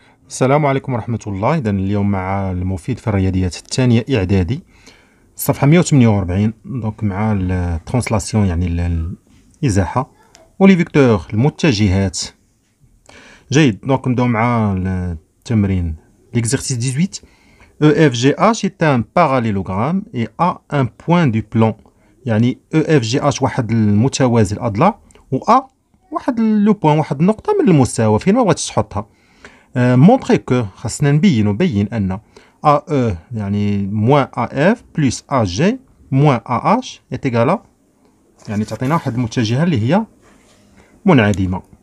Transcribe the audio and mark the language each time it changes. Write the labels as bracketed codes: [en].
[ar] السلام عليكم ورحمة الله. إذن اليوم مع المفيد في الرياضيات الثانية إعدادي صفحة 148، دونك مع الترانسلاسيون يعني الإزاحة ولي فيكتور المتجهات. جيد، دونك نبداو مع التمرين ليكزيرسيس 18. [fr] E F G H est un parallélogramme et a un point du plan. [ar] يعني E F G H واحد المتوازي الأضلاع و A واحد لو بوين، واحد النقطة من المستوى فين ما بغيتي تحطها. [fr] Montrer que, [ar] خاصنا نبينو بين أن AE يعني موان AF بلس AG موان AH إتيكالا، يعني تعطينا واحد المتجهة اللي هي منعدمة.